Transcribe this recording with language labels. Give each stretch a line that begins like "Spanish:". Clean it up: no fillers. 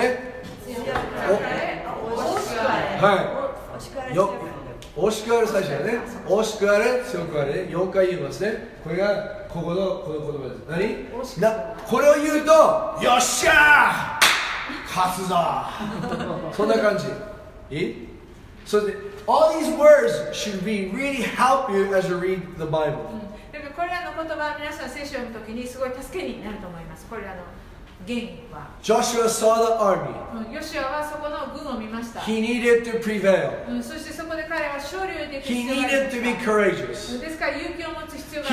Japanese: 強くあれ、惜しくあれ。はい、よ、惜しくあれ最初だね。惜しくあれ、強くあれ、4回言いますね。これがここのこの言葉です。何な、これを言うと、よっしゃー勝つぞそんな感じ。
English: いい、All these words should be really help you as you read the Bible.
Japanese: これらの言葉は皆さん聖書を読むときにすごい助けになると思います。これらの
English: ジョシュア saw the army.
Japanese: ヨシュアはそこの軍を見ました。
English: He needed to prevail.
Japanese: そしてそこで彼は勝利を得る必要がありました。
English: He needed to be courageous.
Japanese: ですから勇気を持つ必要があ